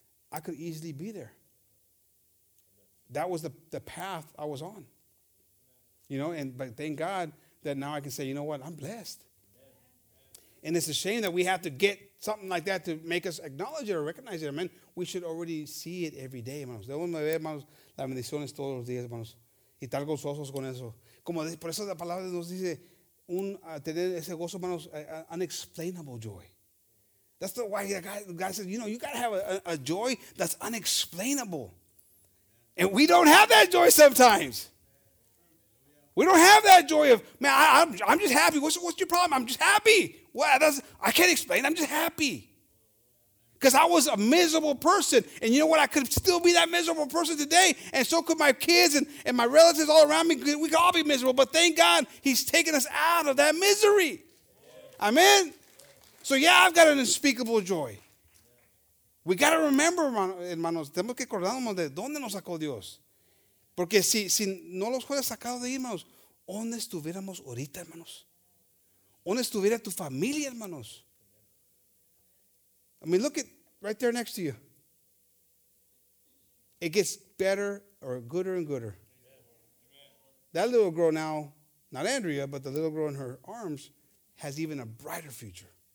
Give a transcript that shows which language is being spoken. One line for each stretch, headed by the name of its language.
English: I could easily be there. That was the path I was on. You know, but thank God that now I can say, you know what? I'm blessed. And it's a shame that we have to get something like that to make us acknowledge it or recognize it. Amen. We should already see it every day, hermanos.
Spanish: Debemos ver, hermanos, las bendiciones todos los días, hermanos. Y estar gozosos con eso. Como por eso la palabra nos dice, tener ese gozo, hermanos,
English: unexplainable joy. That's the why God says, you know, you got to have a joy that's unexplainable. And we don't have that joy sometimes. We don't have that joy of, man, I'm just happy. What's your problem? I'm just happy. Well, I can't explain. I'm just happy. Because I was a miserable person. And you know what? I could still be that miserable person today. And so could my kids and my relatives all around me. We could all be miserable. But thank God he's taken us out of that misery. Amen? So yeah, I've got an unspeakable joy. We got to remember, hermanos.
Spanish: Tenemos que acordarnos de dónde nos sacó Dios. Porque si no los hubiera sacado de ahí, hermanos, ¿dónde estuviéramos ahorita, hermanos? ¿Dónde estuviera tu familia, hermanos?
English: I mean, look at right there next to you. It gets better or gooder and gooder. That little girl now, not Andrea, but the little girl in her arms, has even a brighter future.